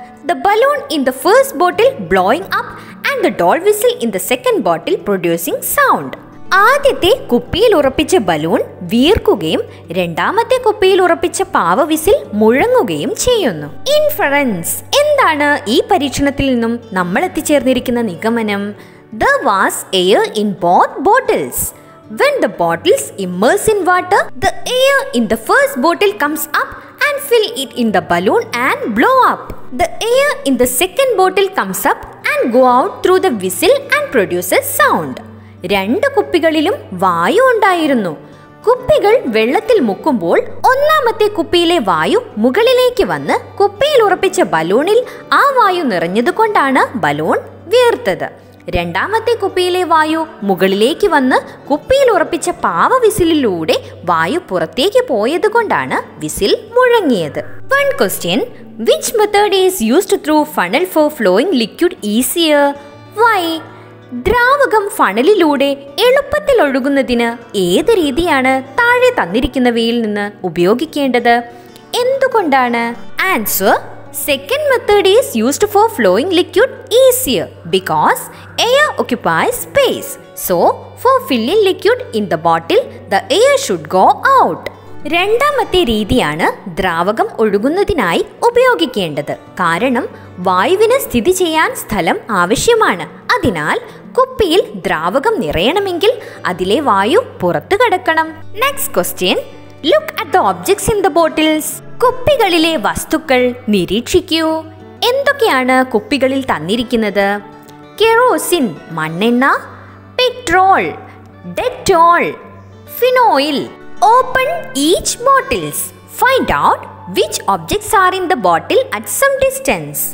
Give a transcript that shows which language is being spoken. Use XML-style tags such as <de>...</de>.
<en>The balloon in the first bottle blowing up and the doll whistle in the second bottle producing sound.</en> <ml>ആദ്യത്തെ കുപ്പിയിൽ ഉറപ്പിച്ച balloon വീർക്കുകയും രണ്ടാമത്തെ കുപ്പിയിൽ ഉറപ്പിച്ച പാവ വിസിൽ മുഴങ്ങുകയും ചെയ്യുന്നു. ഇൻഫറൻസ്, എന്താണ് ഈ പരീക്ഷണത്തിൽ നിന്നും നമ്മൾ എത്തിച്ചേർന്നിരിക്കുന്ന നിഗമനം?</ml> <en>There was air in both bottles. When the bottles immerse in water, the air in the first bottle comes up and fill it in the balloon and blow up. The air in the second bottle comes up and go out through the whistle and produces sound.</en> <ml>രണ്ട് കുപ്പികളിലും വായു ഉണ്ടായിരുന്നു. കുപ്പികൾ വെള്ളത്തിൽ മുക്കുമ്പോൾ ഒന്നാമത്തെ കുപ്പിയിലെ വായു മുകളിലേക്ക് വന്ന് കുപ്പിയിൽ ഉറപ്പിച്ച ബലൂണിൽ ആ വായു നിറഞ്ഞതുകൊണ്ടാണ് ബലൂൺ വീർത്തത്. രണ്ടാമത്തെ കുപ്പിയിലെ വായു മുകളിലേക്ക് വന്ന് കുപ്പിയിൽ ഉറപ്പിച്ച പാവ വിസിലിലൂടെ വായു പുറത്തേക്ക് പോയത് കൊണ്ടാണ് whistle മുഴങ്ങിയത്.</ml> <en>One question, which method is used through funnel for flowing liquid easier?</en> <ml>Y, ദ്രാവകം ഫണലിലൂടെ എളുപ്പത്തിൽ ഒഴുകുന്നതിന് ഏത് രീതിയാണ് താഴെ തന്നിരിക്കുന്നവയിൽ നിന്ന് ഉപയോഗിക്കേണ്ടത്? എന്തുകൊണ്ടാണ്?</ml> <en>Answer, second method is used for flowing liquid easier because air occupies space, so for filling liquid in the bottle the air should go out.</en> <ml>രണ്ടാമത്തെ രീതിയാണ് ദ്രാവകം ഒഴുകുന്നതിനായി ഉപയോഗിക്കേണ്ടത്, കാരണം വായുവിന് സ്ഥിതി ചെയ്യാൻ സ്ഥലം ആവശ്യമാണ്. അതിനാൽ കുപ്പിയിൽ ദ്രാവകം നിറയണമെങ്കിൽ അതിലെ വായു പുറത്തു കടക്കണം.</ml> <en>Next question, look at the objects in the bottles.</en> <ml>കുപ്പികളിലെ വസ്തുക്കൾ നിരീക്ഷിക്കൂ. എന്തൊക്കെയാണ് കുപ്പികളിൽ തന്നിരിക്കുന്നത്? കെറോസിൻ, മണ്ണെണ്ണ, petrol, Dettol, phenyl.</ml> <en>Open each bottles, find out which objects are in the bottle at some distance.</en>